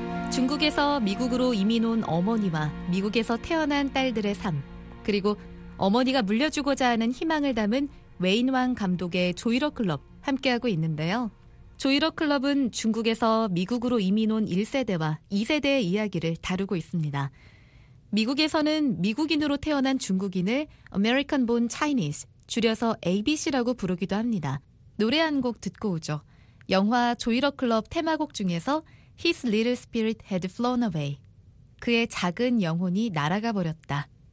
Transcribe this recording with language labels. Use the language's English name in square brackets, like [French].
[Korean] 중국에서 미국으로 이민 온 어머니와 미국에서 태어난 딸들의 삶, 그리고 어머니가 물려주고자 하는 희망을 담은 웨인 왕 감독의 조이러 클럽 함께하고 있는데요. 조이러 클럽은 중국에서 미국으로 이민 온 1세대와 2세대의 이야기를 다루고 있습니다. 미국에서는 미국인으로 태어난 중국인을 American Born Chinese, 줄여서 ABC라고 부르기도 합니다. 노래 한 곡 듣고 오죠. 영화 조이러 클럽 테마곡 중에서 [English] His Little Spirit Had Flown Away. [Korean] 그의 작은 영혼이 날아가 버렸다.